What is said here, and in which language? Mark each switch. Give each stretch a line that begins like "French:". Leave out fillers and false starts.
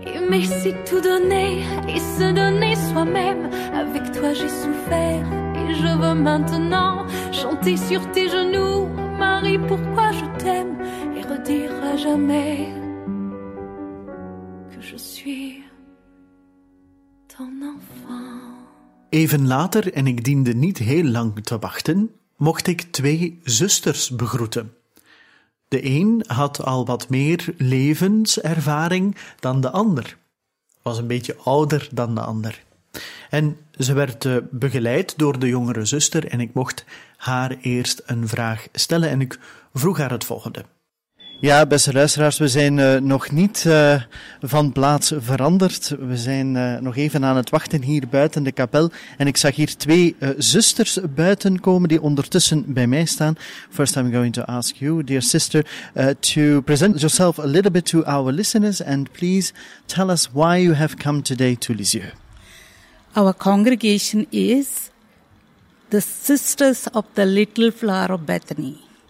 French: Mais si tout donner et se donner soi-même, avec toi j'ai souffert et je veux maintenant chanter sur tes genoux, Marie, pourquoi je t'aime, et redire à jamais que je suis ton enfant.
Dutch: Even later, en ik diende niet heel lang te wachten, mocht ik twee zusters begroeten. De een had al wat meer levenservaring dan de ander. Was een beetje ouder dan de ander. En ze werd begeleid door de jongere zuster en ik mocht haar eerst een vraag stellen en ik vroeg haar het volgende. Ja, beste luisteraars, we zijn nog niet van plaats veranderd. We zijn nog even aan het wachten hier buiten de kapel. En ik zag hier twee zusters buiten komen die ondertussen bij mij staan.
English: First, I'm going to ask you, dear sister, to present yourself a little bit to our listeners and please tell us why you have come today to Lisieux. Our congregation is the Sisters of the Little Flower of Bethany.